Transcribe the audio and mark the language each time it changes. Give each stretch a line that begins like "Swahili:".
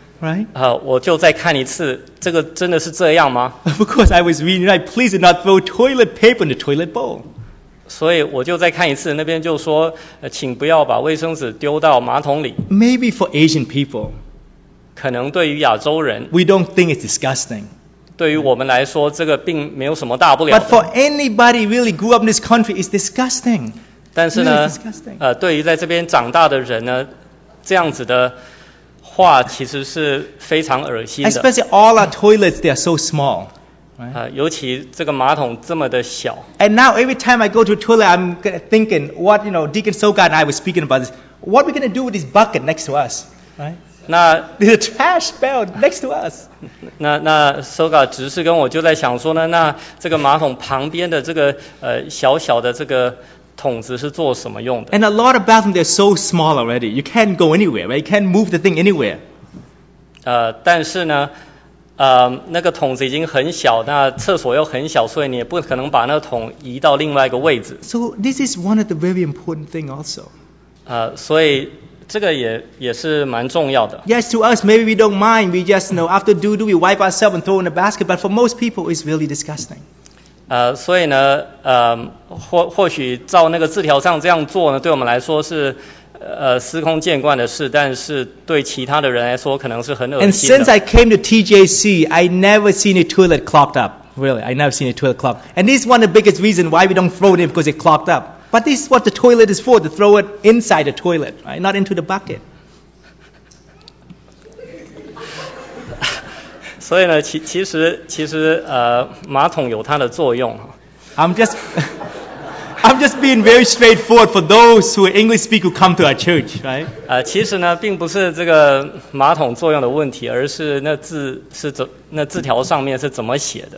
English: Right?
Chinese: 我就再看一次，这个真的是这样吗
English: ？Of course, I was reading. Like, please do not throw toilet paper in the toilet bowl.
Chinese: 所以我就再看一次，那边就说，请不要把卫生纸丢到马桶里。
English: Maybe for Asian people,
Chinese: 可能对于亚洲人
English: ，we don't think it's disgusting.
Chinese: 对于我们来说，这个并没有什么大不了。
English: But for anybody really grew up in this country, it's disgusting.
Chinese: 但是呢，
English: really disgusting.
Chinese: 对于在这边长大的人呢，这样子的。话其实是非常恶心的。
English: Especially all our toilets, they are so small.
Chinese: 尤其这个马桶这么的小。
English: And now every time I go to a toilet, I'm thinking what, you know, Deacon Sogard and I were speaking about this. What are we going to do with this bucket next to us? Right? The trash bell next to us.
Chinese: 那 Sogard 执事跟我就在想说呢，那这个马桶旁边的这个小小的这个桶子是做什么用的
English: ？And a lot of bathrooms are so small already. You can't go anywhere, right? You can't move the thing anywhere.
Chinese: 但是呢，那个桶子已经很小，那厕所又很小，所以你也不可能把那个桶移到另外一个位置。
English: So this is one of the very important thing also.
Chinese: 所以这个也是蛮重要的。
English: Yes, to us, maybe we don't mind. We just know after do we wipe ourselves and throw in the basket. But for most people, it's really disgusting.
Chinese: 所以呢，或许照那个字条上这样做呢，对我们来说是司空见惯的事，但是对其他的人来说可能是很恶心的。
English: And since I came to TJC, I never seen a toilet clogged up. Really, I never seen a toilet clogged. And this is one of the biggest reasons why we don't throw it in because it clogged up. But this is what the toilet is for, to throw it inside the toilet, right? Not into the bucket.
Chinese: 所以呢，其实马桶有它的作用。
English: I'm just being very straightforward for those who English speak who come to our church, right?
Chinese: 其实呢，并不是这个马桶作用的问题，而是那字是怎那字条上面是怎么写的。